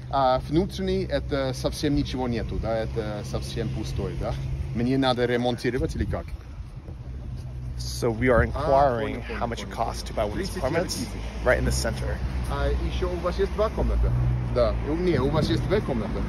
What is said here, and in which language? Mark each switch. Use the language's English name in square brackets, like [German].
[Russian] Внутренний это совсем ничего нету, да? Это совсем пустой, да? Мне надо ремонтировать или как? [English] So we are inquiring how much it costs to buy one of these apartments right in the center. [Russian] Еще у вас есть два комнаты? Да. Нет, у вас есть две комнаты.